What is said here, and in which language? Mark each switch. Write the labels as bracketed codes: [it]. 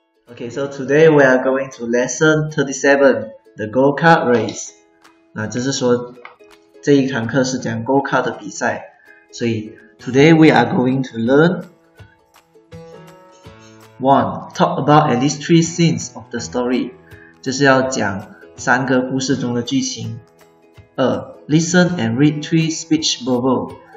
[en] Okay, so today we are going to lesson 37, the Go-kart race. [zh] 那就是说这一堂课是讲 Go-kart 的比赛。所以 [en] today we are going to learn 1. Talk about at least 3 scenes of the story. [zh] 就是要讲三个故事中的剧情。 [en] 2. Listen and read 3 speech bubbles.